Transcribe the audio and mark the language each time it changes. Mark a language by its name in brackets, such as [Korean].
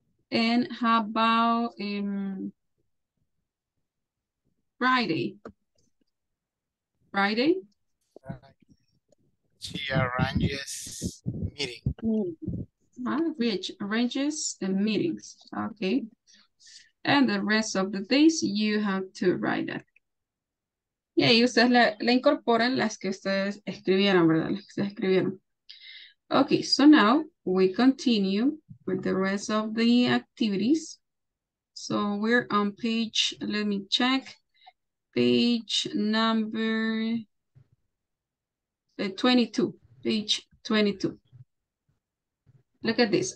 [English] And how about Friday? Friday? She arranges meetings. Arranges and meetings. Okay. And the rest of the days, you have to write that. [Spanish] Y ahí ustedes le incorporan las que ustedes escribieron, ¿verdad? Las que ustedes escribieron. [English] Okay, so now we continue with the rest of the activities. So we're on page, let me check, page number 22, page 22. Look at this.